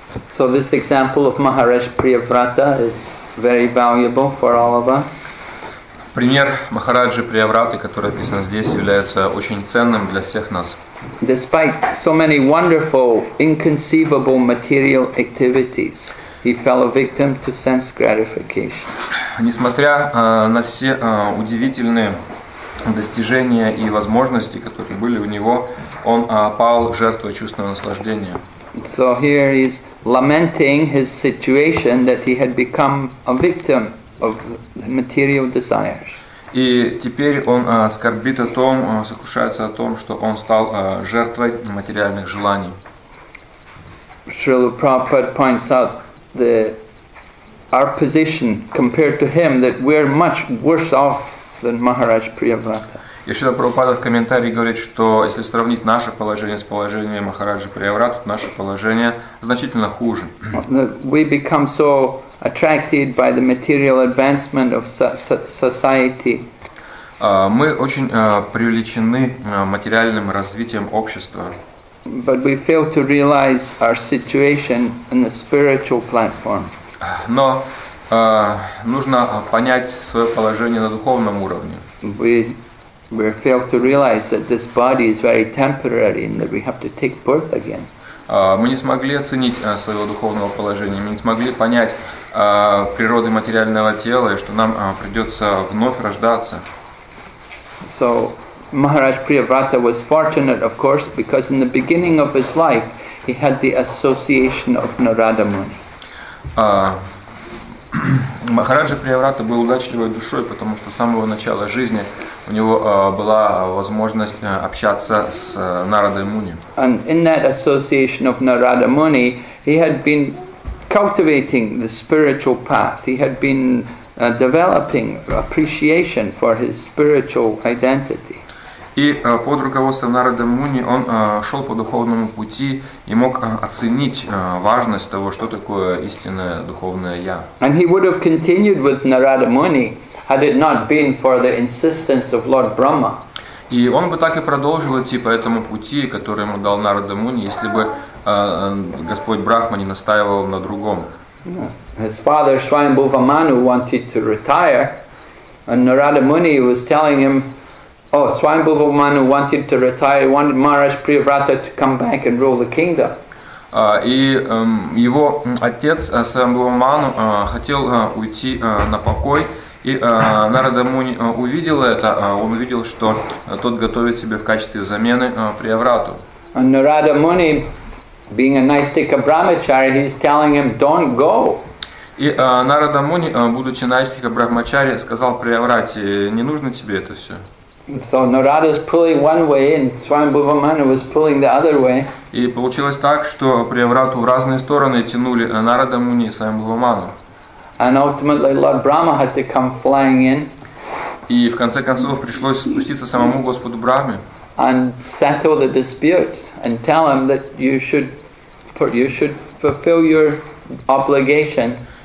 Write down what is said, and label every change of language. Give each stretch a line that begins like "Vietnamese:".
English: So this example of Maharaj Priyavrata is very valuable for all of us.
Russian: Пример Махараджи Приявраты, который описан здесь, является очень ценным для всех нас.
English: Despite so many wonderful, inconceivable material activities, he fell a victim to sense gratification.
Russian: Несмотря на все удивительные достижения и возможности, которые были у него, он пал жертвой чувственного наслаждения.
English: So here he is lamenting his situation that he had become a victim of material desires.
Russian: И теперь он скорбит о том, сокрушается о том, что он стал жертвой материальных желаний.
English: Srila Prabhupada points out the our position compared to him, that we're much worse off than Maharaj Priyavrata.
Russian: И Шрила Прабхупада в комментарии говорит, что если сравнить наше положение с положением Махараджи Приявраты, то наше положение значительно хуже.
English: We become so attracted by the material advancement of society.
Russian: Мы очень привлечены материальным развитием общества.
English: But we fail to realize our situation in the spiritual platform.
Russian: Но нужно понять свое положение на духовном уровне.
English: We fail to realize that this body is very temporary and that we have to take birth again.
Russian: Мы не смогли оценить своего духовного положения, мы не смогли понять природы материального тела и что нам придется вновь рождаться.
English: So, Maharaj Priyavrata was fortunate, of course, because in the beginning of his life he had the association of Narada Muni.
Russian: Махараджа Приаврата был удачливой душой, потому что с самого начала жизни у него была возможность общаться с Нарадой Муни.
English: And in that association of Narada Muni, he had been cultivating the spiritual path. He had been developing appreciation for his spiritual identity.
Russian: И под руководством Нарады Муни он шел по духовному пути и мог оценить важность того, что такое истинное духовное я.
English: And he would have continued with Narada Muni had it not been for the insistence of Lord Brahma.
Russian: И он бы так и продолжил идти по этому пути, который ему дал Нарада Муни, если бы Господь Брахма не настаивал на другом.
English: His father Swayambhuva Manu wanted to retire, and Narada Muni was telling him, oh, Swayambhuva Manu wanted to retire, wanted Maharaj Priyavrata to come back and rule the kingdom.
Russian: И его отец Свайамбхува Ману хотел уйти на покой, и Нарада Муни увидел это, он увидел, что тот готовит себя в качестве замены Приаврату.
English: And Narada Muni, being a Naistika Brahmachari, he's telling him, don't go.
Russian: И Нарада Муни, будучи Наистика Брахмачари, сказал Приаврате, не нужно тебе это все.
English: So Narada is pulling one way, and Swayambhuva Manu was pulling the other way.
Russian: И получилось так, что Приаврату в разные стороны тянули Нарада Муни и Свайамбхува Ману.
English: And ultimately, Lord Brahma had to come flying in.
Russian: И в конце концов пришлось спуститься самому Господу Брахме.
English: And settle the dispute and tell him that you should fulfill your obligation.